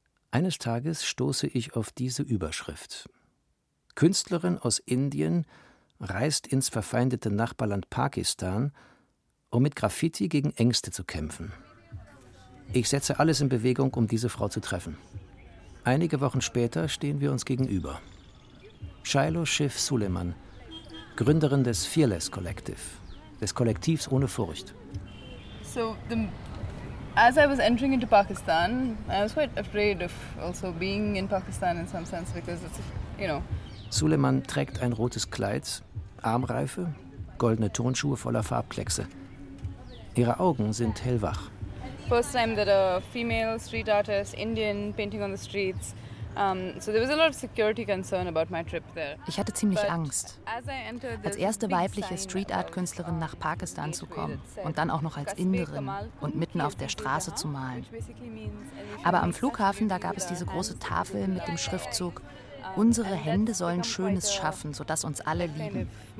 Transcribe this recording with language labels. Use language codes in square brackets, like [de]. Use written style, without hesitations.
[de] Eines Tages stoße ich auf diese Überschrift. Künstlerin aus Indien reist ins verfeindete Nachbarland Pakistan, um mit Graffiti gegen Ängste zu kämpfen. Ich setze alles in Bewegung, um diese Frau zu treffen. Einige Wochen später stehen wir uns gegenüber. Shiloh Schiff Suleiman, Gründerin des Fearless Collective, des Kollektivs ohne Furcht. [en] So, as I was entering into Pakistan, I was quite afraid of also being in Pakistan in some sense because it's, you know. [de] Suleiman trägt ein rotes Kleid, Armreife, goldene Turnschuhe voller Farbkleckse. Ihre Augen sind hellwach. [en] First time that a female street artist, Indian, painting on the streets, So there was a lot of security concern about my trip there. [de] Ich hatte ziemlich Angst, als erste weibliche Street Art Künstlerin nach Pakistan zu kommen und dann auch noch als Inderin und mitten auf der Straße zu malen. Aber am Flughafen, da gab es diese große Tafel mit dem Schriftzug: Unsere Hände sollen Schönes schaffen, sodass uns alle lieben.